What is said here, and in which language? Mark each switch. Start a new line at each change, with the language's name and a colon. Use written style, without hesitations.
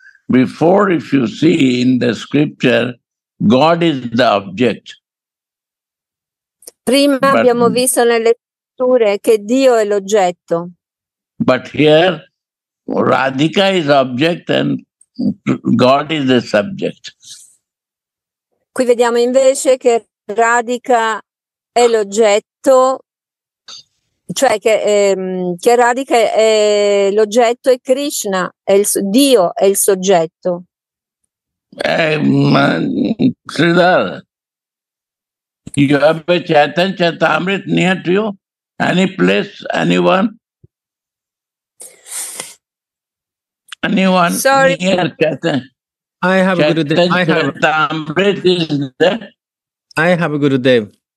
English: Before, if you see in the scripture, God is the object.
Italian: Prima abbiamo visto nelle scritture che Dio è l'oggetto.
English: But here, Radhika is object and God is the subject.
Italian: Qui vediamo invece che Radhika è l'oggetto, cioè che Radhika è l'oggetto e Krishna è il Dio è il soggetto.
English: Sridhar, you have a Chaitanya Chaitamrita near to you? Any place, anyone? Anyone? Sorry. Near Chaitanya? I have Gurudev. I have Gurudev.